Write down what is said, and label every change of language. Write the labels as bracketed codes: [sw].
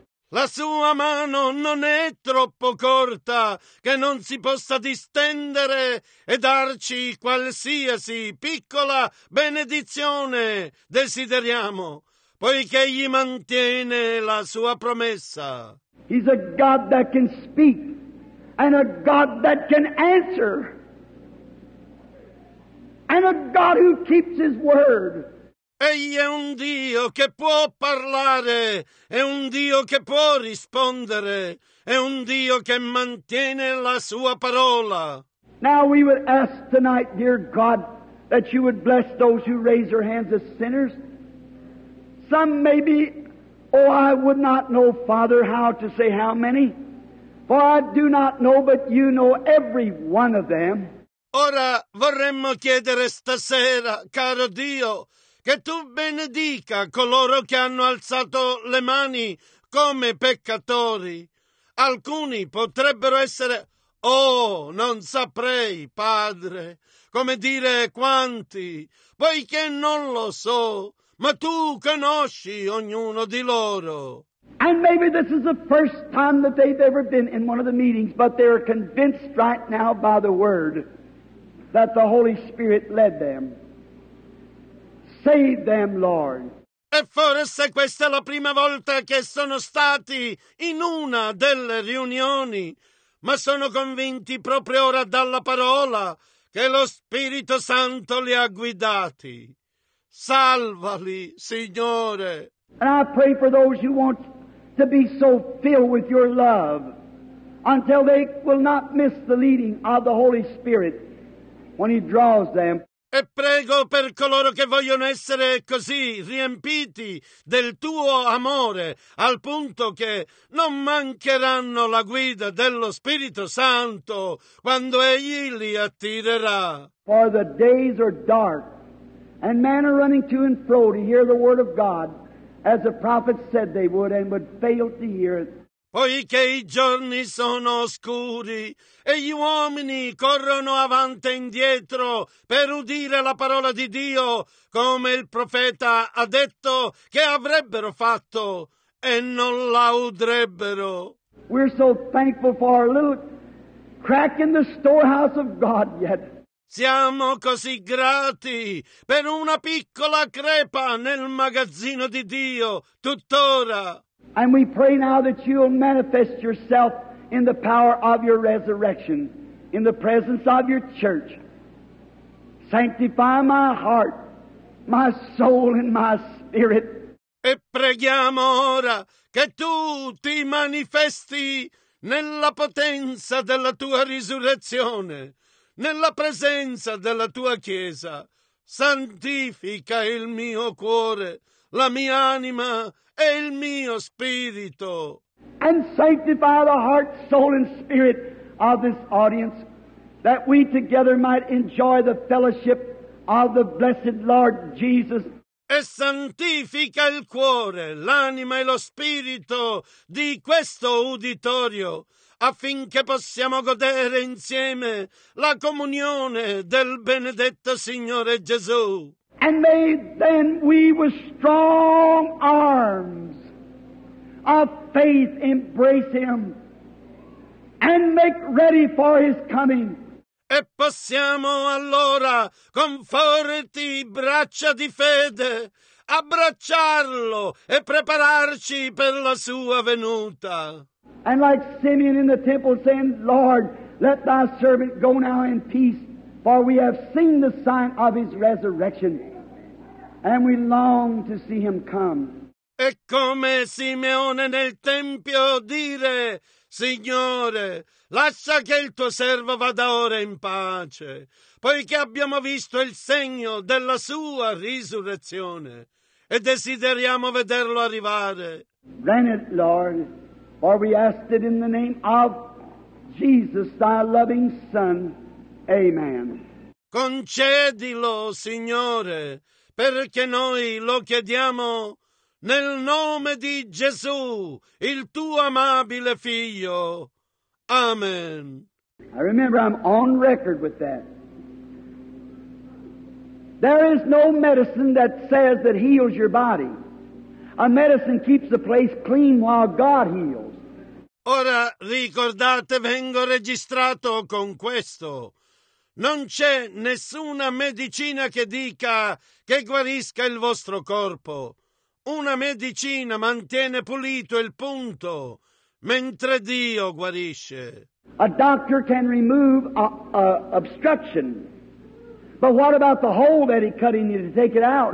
[it] La sua mano non è troppo corta che non si possa distendere e darci qualsiasi piccola benedizione desideriamo, poiché Egli mantiene la sua promessa. [en] He's a God that can speak and a God that can answer and a God who keeps His word. [it] Egli è un Dio che può parlare, è un Dio che può rispondere, è un Dio che mantiene la sua parola. [en] Now we would ask tonight, dear God, that you would bless those who raise their hands as sinners. Some maybe, oh, I would not know, Father, how to say how many, for I do not know, but you know every one of them. [it] Ora vorremmo chiedere stasera, caro Dio, che tu benedica coloro che hanno alzato le mani come peccatori. Alcuni potrebbero essere, oh, non saprei, Padre, come dire quanti, poiché non lo so, ma tu conosci ognuno di loro. [en] And maybe this is the first time that they've ever been in one of the meetings, but they're convinced right now by the Word that the Holy Spirit led them. Save them, Lord. [it] E forse questa è la prima volta che sono stati in una delle riunioni, ma sono convinti proprio ora dalla parola che lo Spirito Santo li ha guidati. Salvali, Signore. [en] And I pray for those who want to be so filled with your love until they will not miss the leading of the Holy Spirit when He draws them. [it] E prego per coloro che vogliono essere così riempiti del tuo amore, al punto che non mancheranno la guida dello Spirito Santo quando Egli li attirerà. [en] For the days are dark, and men are running to and fro to hear the word of God, as the prophets said they would, and would fail to hear it. [it] Poiché i giorni sono oscuri e gli uomini corrono avanti e indietro per udire la parola di Dio, come il profeta ha detto che avrebbero fatto e non la udrebbero. [en] We're so thankful for our little crack in the storehouse of God yet. [it] Siamo così grati per una piccola crepa nel magazzino di Dio tuttora. [en] And we pray now that you will manifest yourself in the power of your resurrection, in the presence of your church. Sanctify my heart, my soul, and my spirit. [it] E preghiamo ora che tu ti manifesti nella potenza della tua risurrezione, nella presenza della tua chiesa. Santifica il mio cuore, la mia anima e il mio spirito. [en] And sanctify the heart, soul, and spirit of this audience, that we together might enjoy the fellowship of the blessed Lord Jesus. [it] E santifica il cuore, l'anima e lo spirito di questo uditorio, affinché possiamo godere insieme la comunione del benedetto Signore Gesù. [en] And may then we with strong arms of faith embrace Him and make ready for His coming. [it] E possiamo allora con forti braccia di fede abbracciarlo e prepararci per la sua venuta. [en] And like Simeon in the temple saying, Lord, let thy servant go now in peace, for we have seen the sign of His resurrection. And we long to see Him come. [it] E come Simeone nel tempio dire, Signore, lascia che il tuo servo vada ora in pace, poiché abbiamo visto il segno della sua risurrezione e desideriamo vederlo arrivare. [en] Grant it, Lord, for we ask it in the name of Jesus, thy loving Son. Amen. [it] Concedilo, Signore, perché noi lo chiediamo nel nome di Gesù, il tuo amabile figlio. Amen. [en] I remember I'm on record with that. There is no medicine that says that heals your body. A medicine keeps the place clean while God heals. [it] Ora ricordate, vengo registrato con questo. Non c'è nessuna medicina che dica che guarisca il vostro corpo. Una medicina mantiene pulito il punto, mentre Dio guarisce. [en] A doctor can remove a obstruction, but what about the hole that he cut in you to take it out?